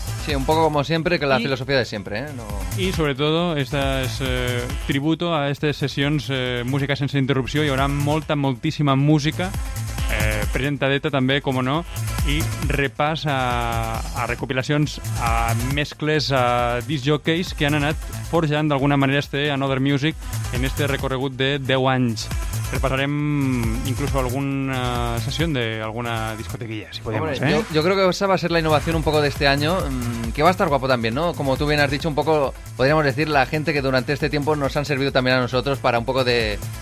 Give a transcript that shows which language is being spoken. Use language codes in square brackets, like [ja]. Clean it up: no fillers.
[es] Sí, un poco como siempre, que la filosofia de siempre, [ca] I sobretot, este és tributo a aquestes sessions música sense interrupció. Hi haurà molta, moltíssima música presentadeta també, com no, i repàs a recopilacions, a mescles, a disc jockeys que han anat forjant d'alguna manera este Another Music en este recorregut de 10 anys. Repasarem inclús alguna sessió d'alguna discotequilla, si podíem. Hombre, jo crec que esa va ser la innovació un poc d'este any, que va estar guapo també, ¿no? [es] Como tú bien has dicho, un poco, podríamos decir, la gente que durante este tiempo nos han servido también a nosotros para un poco de...